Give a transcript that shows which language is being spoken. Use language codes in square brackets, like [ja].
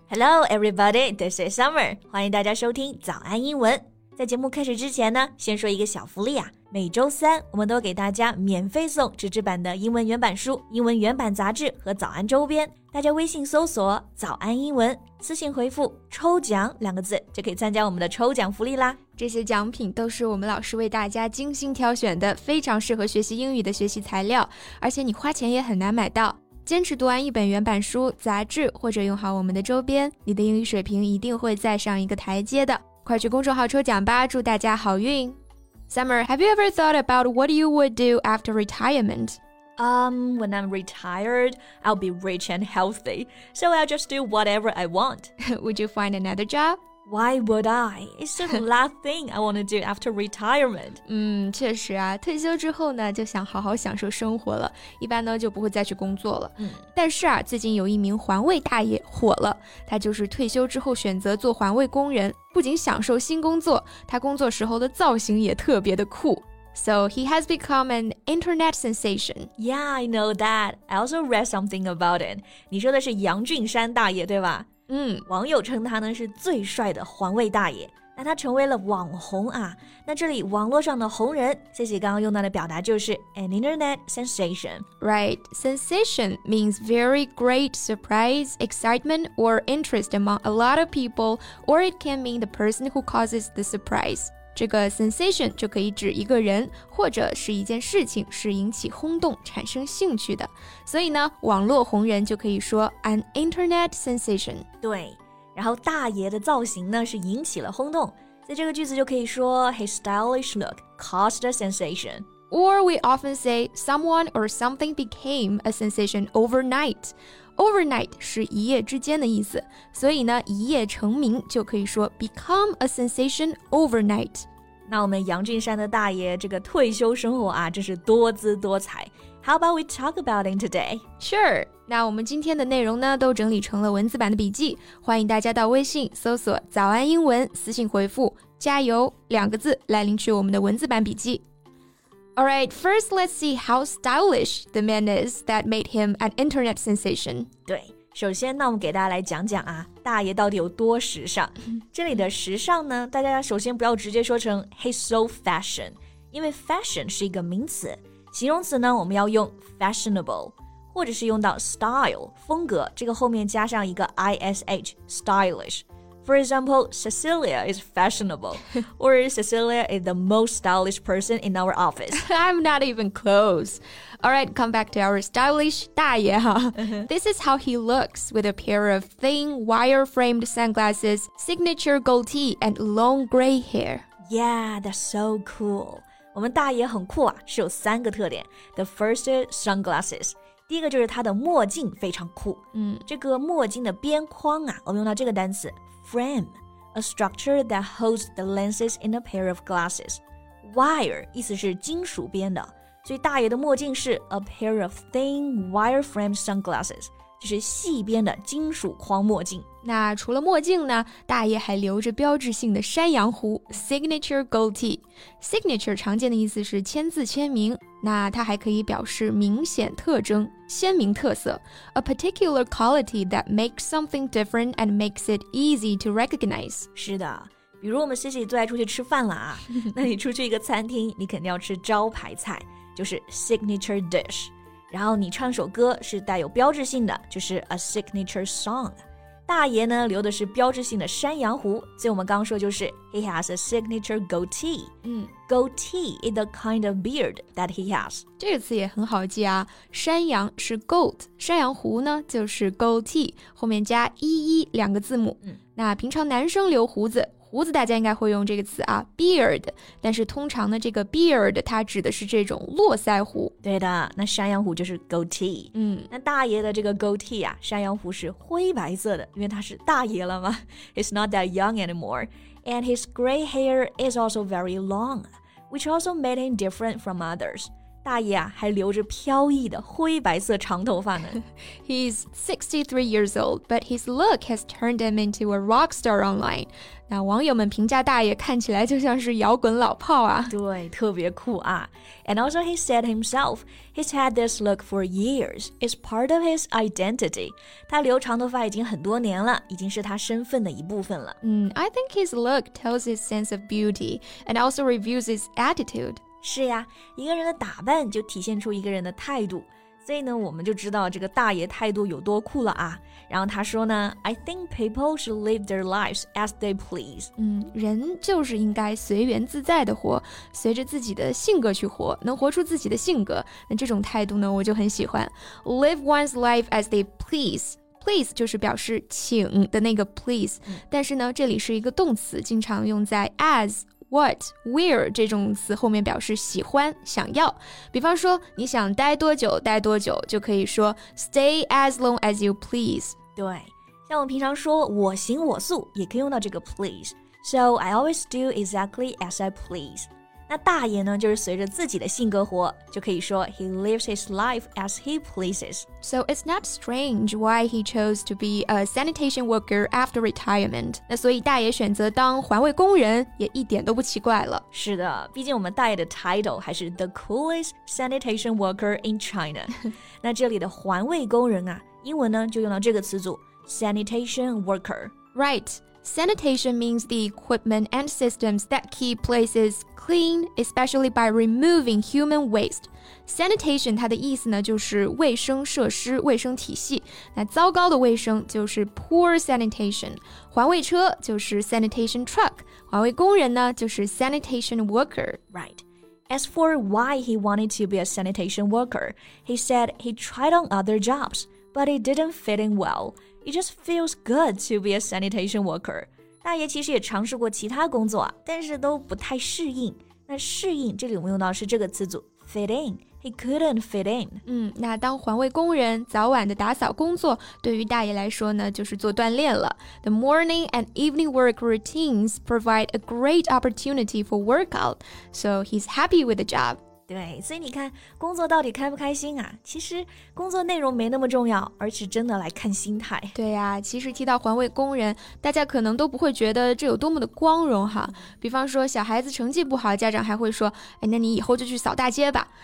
[en] Hello everybody, this is Summer. [zh] 欢迎大家收听早安英文。在节目开始之前呢，先说一个小福利啊。每周三我们都给大家免费送纸质版的英文原版书、英文原版杂志和早安周边。大家微信搜索早安英文，私信回复抽奖两个字，就可以参加我们的抽奖福利啦。这些奖品都是我们老师为大家精心挑选的，非常适合学习英语的学习材料，而且你花钱也很难买到。坚持读完一本原版书、杂志，或者用好我们的周边，你的英语水平一定会再上一个台阶的。快去公众号抽奖吧，祝大家好运。 [en] Summer, have you ever thought about what you would do after retirement? When I'm retired, I'll be rich and healthy, so I'll just do whatever I want. Would you find another job? Why would I? It's the last thing I want to do after retirement. [zh] 确实啊，退休之后呢，就想好好享受生活了，一般呢就不会再去工作了。但是啊，最近有一名环卫大爷火了，他就是退休之后选择做环卫工人，不仅享受新工作，他工作时候的造型也特别的酷。 [en] So he has become an internet sensation. Yeah, I know that. I also read something about it. [zh] 你说的是杨俊山大爷，对吧？网友称他呢是最帅的环卫大爷，那他成为了网红啊。那这里网络上的红人，谢谢刚刚用到的表达就是 [en] an internet sensation. Right, sensation means very great surprise, excitement, or interest among a lot of people, or it can mean the person who causes the surprise. [zh] 这个 sensation 就可以指一个人，或者是一件事情是引起轰动、产生兴趣的。所以呢，网络红人就可以说 [en] an internet sensation. [zh] 对，然后大爷的造型呢是引起了轰动，在这个句子就可以说 [en] his stylish look caused a sensation. Or we often say someone or something became a sensation overnight. [zh] Overnight 是一夜之间的意思，所以呢，一夜成名就可以说 [en] become a sensation overnight. [zh] 那我们杨俊山的大爷这个退休生活啊，真是多姿多彩。 [en] How about we talk about it today? Sure. [zh] 那我们今天的内容呢，都整理成了文字版的笔记，欢迎大家到微信搜索早安英文，私信回复加油两个字来领取我们的文字版笔记。 [en] Alright, first let's see how stylish the man is that made him an internet sensation. [zh] 对，首先那我们给大家来讲讲啊，大爷到底有多时尚。这里的时尚呢，大家首先不要直接说成 [en] he's so fashion, [zh] 因为 fashion 是一个名词，形容词呢我们要用 fashionable, 或者是用到 style, 风格，这个后面加上一个 ish, stylish. [en] For example, Cecilia is fashionable, or Cecilia is the most stylish person in our office. I'm not even close. All right, come back to our stylish 大爷哈。 This is how he looks with a pair of thin wire-framed sunglasses, signature goatee, and long gray hair. Yeah, that's so cool. [zh] 我们大爷很酷啊，是有三个特点。 [en] The first is sunglasses. [zh] 第一个就是他的墨镜非常酷。这个墨镜的边框啊，我们用到这个单词 frame, [en] a structure that holds the lenses in a pair of glasses. [zh] Wire 意思是金属边的，所以大爷的墨镜是 [en] a pair of thin wire-framed sunglasses, [zh] 就是细边的金属框墨镜。那除了墨镜呢，大爷还留着标志性的山羊胡 signature goatee. Signature 常见的意思是签字签名。那它还可以表示明显特征、鲜明特色 ， [en] a particular quality that makes something different and makes it easy to recognize. [zh] 是的，比如我们 Cici 最爱出去吃饭了啊，那你出去一个餐厅，你肯定要吃招牌菜，就是 signature dish。然后你唱首歌是带有标志性的，就是 a signature song。大爷呢留的是标志性的山羊胡，所以我们刚说就是 [en] he has a signature goatee. Goatee is the kind of beard that he has. [zh] 这个词也很好记啊，山羊是 goat, 山羊胡呢就是 goatee, 后面加ee两个字母。那平常男生留胡子，胡子大家应该会用这个词啊 beard, 但是通常呢这个 beard 它指的是这种络腮胡。对的，那山羊胡就是 goatee。那大爷的这个 goatee 啊，山羊胡是灰白色的，因为他是大爷了嘛。 [en] He's not that young anymore. And his gray hair is also very long, which also made him different from others. [zh] 大爷啊还留着飘逸的灰白色长头发呢。 [en] He's 63 years old, but his look has turned him into a rock star online. [zh] 那网友们评价大爷看起来就像是摇滚老炮啊。对，特别酷啊。 [en] And also he said himself, he's had this look for years. It's part of his identity. [zh] 他留长头发已经很多年了，已经是他身份的一部分了。 [en] I think his look tells his sense of beauty and also reveals his attitude. [zh] 是呀，一个人的打扮就体现出一个人的态度，所以呢，我们就知道这个大爷态度有多酷了啊。然后他说呢 [en] I think people should live their lives as they please. [zh] 人就是应该随缘自在的活，随着自己的性格去活，能活出自己的性格，那这种态度呢，我就很喜欢。 [en] Live one's life as they please. [zh] Please 就是表示请的那个 please、但是呢这里是一个动词经常用在 as, what, where 这种词后面表示喜欢想要比方说你想待多久待多久就可以说 [en] stay as long as you please [zh] 对像我平常说我行我素也可以用到这个 please [en] So I always do exactly as I please [zh] 那大爷呢就是随着自己的性格活就可以说 [en] he lives his life as he pleases So it's not strange why he chose to be a sanitation worker after retirement. [zh] 那所以大爷选择当环卫工人也一点都不奇怪了。是的，毕竟我们大爷的 title 还是 [en] the coolest sanitation worker in China. [zh] 那这里的环卫工人啊，英文呢就用到这个词组 sanitation worker. [en] Right. Sanitation means the equipment and systems that keep places clean, especially by removing human waste. [zh] Sanitation 它的意思呢就是卫生设施、卫生体系。那糟糕的卫生就是 poor sanitation. 环卫车就是 sanitation truck. 环卫工人呢就是 sanitation worker. [en] Right. As for why he wanted to be a sanitation worker, he said he tried on other jobs, but it didn't fit in well. It just feels good to be a sanitation worker. [zh] 大爷其实也尝试过其他工作，但是都不太适应。那适应，这里我们用到是这个词组 fit in. [en] He couldn't fit in. [zh] 那当环卫工人，早晚的打扫工作，对于大爷来说呢，就是做锻炼了。 [en] The morning and evening work routines provide a great opportunity for workout, so he's happy with the job. [zh] 对，所以你看，工作到底开不开心啊？其实工作内容没那么重要，而是真的来看心态。对呀、其实提到环卫工人，大家可能都不会觉得这有多么的光荣哈。比方说小孩子成绩不好，家长还会说，哎，那你以后就去扫大街吧。